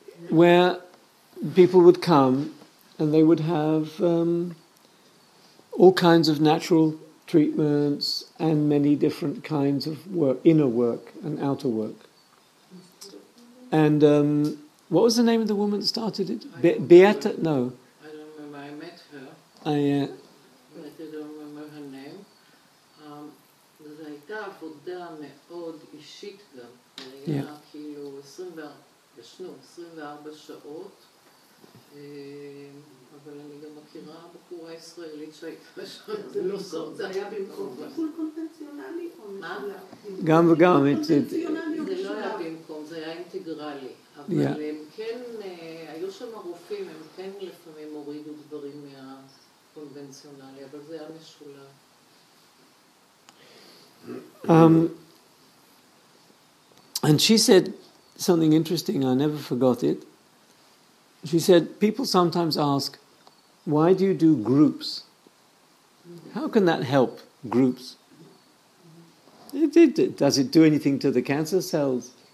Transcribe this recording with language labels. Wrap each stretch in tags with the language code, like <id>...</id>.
<en>Where people would come and they would have all kinds of natural treatments and many different kinds of work, inner work and outer work. And what was the name of the woman that started it? Beata? No. I don't remember. I met her. But I don't remember her name.</en> <he>זה הייתה עבודה מאוד אישית גם. היה כאילו 24 שעות. אבל אני גם מכירה בחורה ישראלית שהייתה שם. זה לא סוף. זה היה במקום. זה טיפול קונבנציונלי או משולב? גם וגם. זה לא היה במקום, זה היה אינטגרלי. אבל הם כן, היו שם רופאים, הם כן לפעמים הורידו דברים מהקונבנציונלי, אבל זה היה משולב.</he> <en>And she said something interesting, I never forgot it. She said, people sometimes ask, why do you do groups? How can that help, groups? Does it do anything to the cancer cells?</en>